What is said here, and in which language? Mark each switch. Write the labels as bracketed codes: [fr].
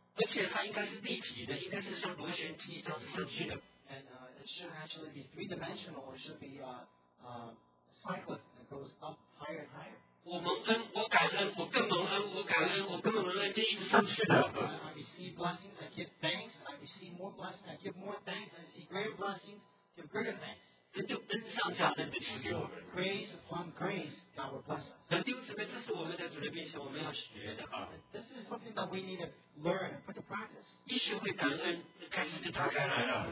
[zh] 而且它应该是立体的，应该是像螺旋机这样上去的。 [en] It should actually be three-dimensional, or it should be cyclic, that goes up higher and higher. [zh] 我蒙恩，我感恩，我更蒙恩，我感恩，我更蒙恩，就一直上去的。 [en] I receive blessings, I give thanks, I receive more blessings, I give more thanks, I see greater blessings, give greater thanks. [zh] 这就恩上加恩的奇迹。 [en] Grace upon grace, God will bless us. [zh] 弟兄姊妹，这是我们在主的面前我们要学的啊。 [en] This is something that we need to learn and put to practice. [zh] 一学会感恩，开始就打开来了。